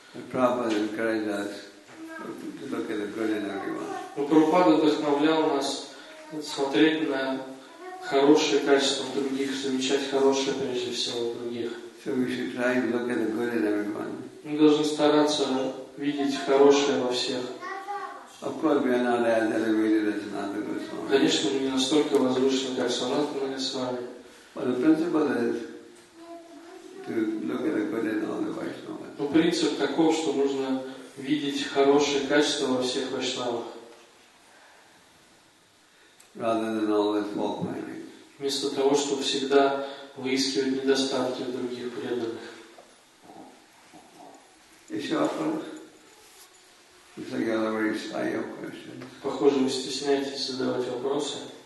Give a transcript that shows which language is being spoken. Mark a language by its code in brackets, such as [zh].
[en] Prabhupada encouraged us to look at the good in everyone. [ru] Но Прабхупада вдохновлял нас смотреть на хорошие качества других, замечать хорошее прежде всего других. [en] So we should try to look at the good in everyone. [ru] Мы должны стараться видеть хорошее во всех. [en] Of course, we are not as elevated as Sanatana Goswami. [ru] Конечно, мы не настолько возвышены, как Санатана Госвами. [en] But the principle is to look at the good in all the Vaishnavas. [ru] Но принцип таков, что нужно видеть хорошие качества во всех Вайшнавах. [en] Rather than always fault finding. [ru] Вместо того, чтобы всегда выискивать недостатки в других преданных. Еще вопрос? [en] Looks like you have a very shy of questions. [ru] Похоже, вы стесняетесь задавать вопросы.